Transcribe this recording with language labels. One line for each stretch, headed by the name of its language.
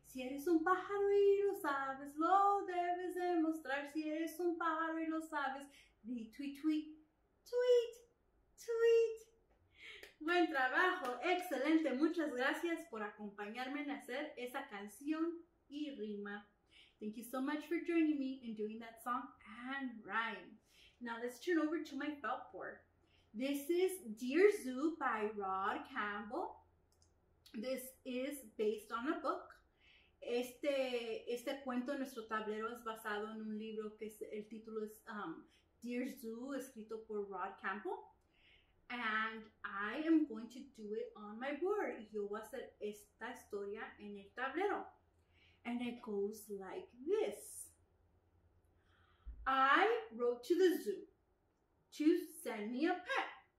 Spanish: Si eres un pájaro y lo sabes, lo debes demostrar. Si eres un pájaro y lo sabes, di tweet, tweet, tweet, tweet. Buen trabajo, excelente. Muchas gracias por acompañarme en hacer esa canción y rima.
English: Thank you so much for joining me in doing that song and rhyme. Now let's turn over to my felt board. This is Dear Zoo by Rod Campbell. This is based on a book.
Spanish: Este cuento en nuestro tablero es basado en un libro que es, el título es Dear Zoo, escrito por Rod Campbell.
English: And I am going to do it on my board.
Spanish: Yo voy a hacer esta historia en el tablero.
English: And it goes like this. I wrote to the zoo to send me a pet.